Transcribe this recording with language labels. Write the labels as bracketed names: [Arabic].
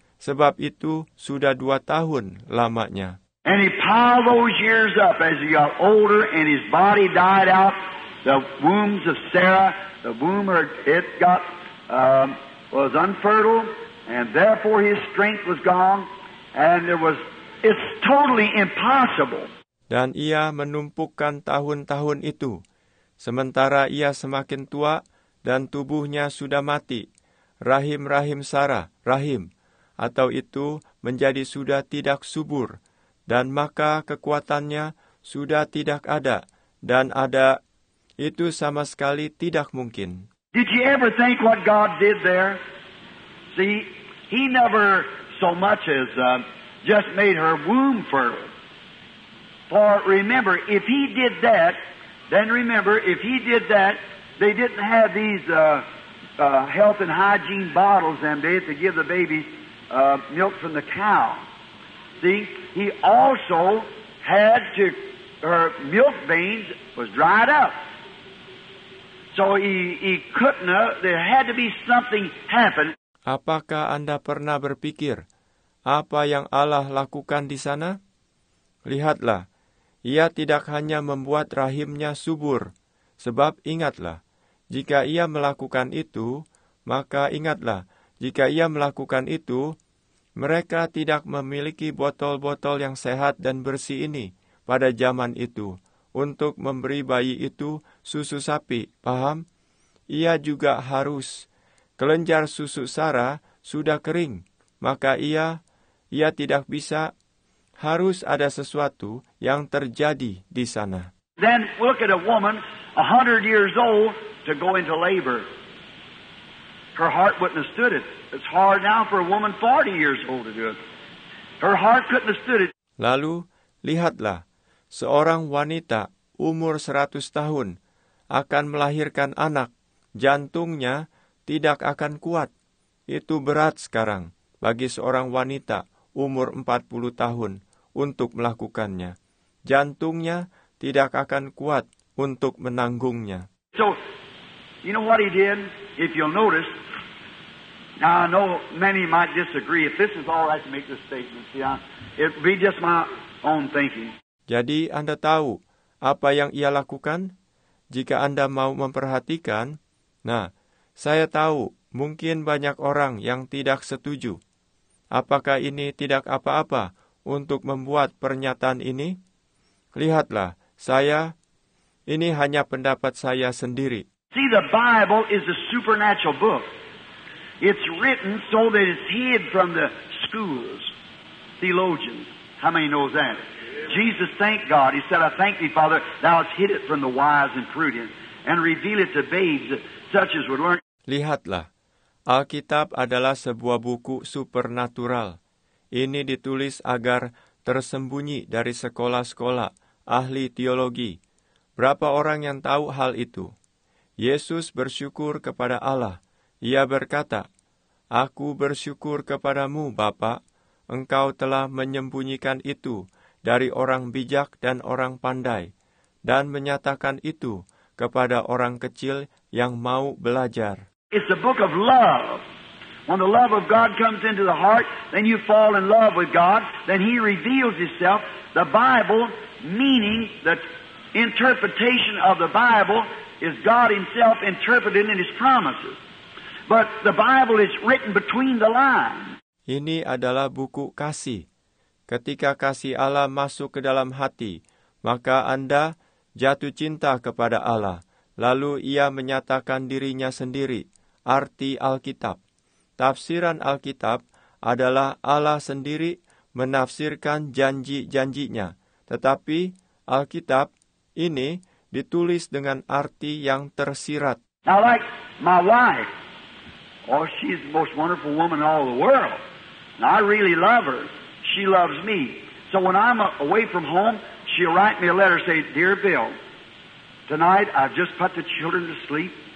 [Indonesian] Sebab itu sudah 2 tahun lamanya. [English] And he piled those years up as he got older and his body died out. The wombs of Sarah, the womb it got was unfertile, and therefore his strength was gone, and it's totally impossible. [Indonesian] Dan ia menumpukan tahun-tahun itu, sementara ia semakin tua dan tubuhnya sudah mati. Rahim-rahim Sarah, rahim. Atau itu menjadi sudah tidak subur, dan maka kekuatannya sudah tidak ada, dan ada itu sama sekali tidak mungkin. [English] Did you ever think what God did there? See, he never so much as just made her womb fertile. For remember, if he did that, then remember, if he did that, they didn't have these health and hygiene bottles and they had to give the babies milk from the cow. See, he also had to, her milk veins was dried up. So he couldn't, there had to be something happened. [Indonesian] Apakah Anda pernah berpikir apa yang Allah lakukan di sana? Lihatlah, ia tidak hanya membuat rahimnya subur, sebab ingatlah, jika ia melakukan itu, maka ingatlah, jika ia melakukan itu, mereka tidak memiliki botol-botol yang sehat dan bersih ini pada zaman itu untuk memberi bayi itu susu sapi, paham? Ia juga harus. Kelenjar susu Sarah sudah kering, maka ia tidak bisa. Harus ada sesuatu yang terjadi di sana. [English] Then look at a woman 100 years old to go into labor. Her heart wouldn't have stood it. It's hard now for a woman 40 years old to do it. Her heart couldn't have stood it. [Indonesian] Lalu, lihatlah, seorang wanita umur 100 tahun akan melahirkan anak. Jantungnya tidak akan kuat. Itu berat sekarang bagi seorang wanita umur 40 tahun untuk melakukannya. Jantungnya tidak akan kuat untuk menanggungnya. [English] So, you know what he did? If you'll notice, now I know many might disagree. If this is all right to make this statement, yeah, it be just my own thinking. [Indonesian] Jadi Anda tahu apa yang ia lakukan? Jika Anda mau memperhatikan, nah, saya tahu mungkin banyak orang yang tidak setuju. Apakah ini tidak apa-apa untuk membuat pernyataan ini? Lihatlah, saya, ini hanya pendapat saya sendiri. [English] See, the Bible is a supernatural book. It's written so that it's hid from the schools, theologians. How many know that? Jesus thanked God. He said, I thank thee, Father, thou hast hid it from the wise and prudent, and reveal it to babes such as would learn. [Indonesian] Lihatlah, Alkitab adalah sebuah buku supernatural. Ini ditulis agar tersembunyi dari sekolah-sekolah, ahli teologi. Berapa orang yang tahu hal itu? Yesus bersyukur kepada Allah. Ia berkata, Aku bersyukur kepadamu, Bapa, engkau telah menyembunyikan itu dari orang bijak dan orang pandai, dan menyatakan itu kepada orang kecil yang mau belajar. [English] It's a book of love. When the love of God comes into the heart, then you fall in love with God, then He reveals Himself. The Bible, meaning the interpretation of the Bible, is God Himself interpreted in His promises. But the Bible is written between the lines. [Indonesian] Ini adalah buku kasih. Ketika kasih Allah masuk ke dalam hati, maka Anda jatuh cinta kepada Allah. Lalu Ia menyatakan dirinya sendiri, arti Alkitab. Tafsiran Alkitab adalah Allah sendiri menafsirkan janji-janji-Nya. Tetapi Alkitab ini ditulis dengan arti yang tersirat. [English] Now like my wife, oh she's the most wonderful woman in all the world. And I really love her. She loves me. So when I'm away from home, she'll write me a letter say, Dear Bill, tonight I've just put the children to sleep.